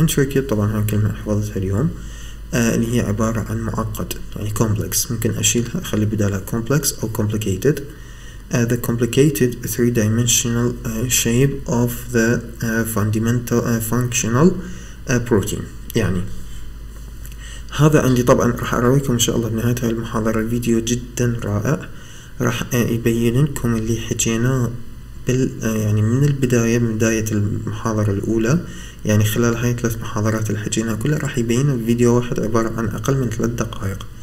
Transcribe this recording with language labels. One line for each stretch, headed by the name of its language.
Arabic: Intricate طبعا هاي كلمة حفظتها اليوم اللي هي عبارة عن معقد يعني complex، ممكن أشيلها أخلي بدالها complex أو complicated.
English: The complicated three-dimensional shape of the fundamental functional protein.
Arabic: يعني هذا عندي طبعا راح أرويكم إن شاء الله بنهاية هاي المحاضرة الفيديو جدا رائع راح يبين لكم اللي حكينا بال يعني من البداية من بداية المحاضرة الأولى يعني خلال هاي ثلاث محاضرات اللي حكيناها كلها راح يبين في فيديو واحد عبارة عن أقل من ثلاث دقائق.